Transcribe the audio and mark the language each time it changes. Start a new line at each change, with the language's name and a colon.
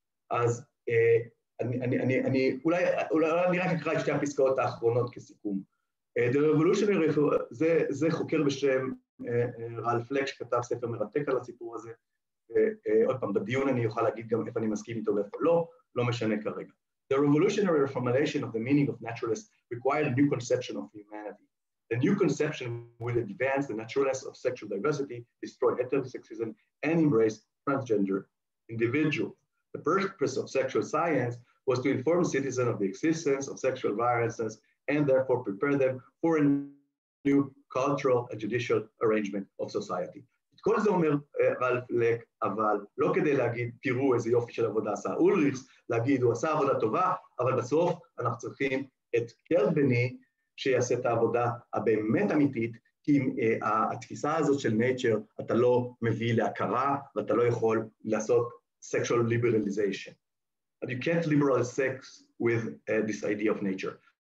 Hebrew: אז אני רק אקרא את שתי הפסקאות האחרונות כסיכום. The Revolutionary, זה חוקר בשם רלף לקש, כתב ספר מרתק על הסיפור הזה, עוד פעם, בדיון אני אוכל להגיד גם איפה אני מסכים איתו ואיפה לא, לא משנה כרגע.
English: The revolutionary reformulation of the meaning of naturalist required a new conception of humanity. The new conception will advance the naturalness of sexual diversity, destroy heterosexism, and embrace transgender individuals. The purpose of sexual science was to inform citizens of the existence of sexual violences and therefore prepare them for a new cultural and judicial arrangement of society.
Hebrew: כל זה אומר רלף לק, אבל לא כדי להגיד, תראו איזה יופי של עבודה עשה אולריך, להגיד, הוא עשה עבודה טובה, אבל בסוף אנחנו צריכים את קרטבני שיעשה את העבודה הבאמת אמיתית, כי עם התפיסה הזאת של נייצ'ר, אתה לא מביא להכרה, ואתה לא יכול לעשות sexual liberalization.
English: And you can't liberalize sex with this idea of nature.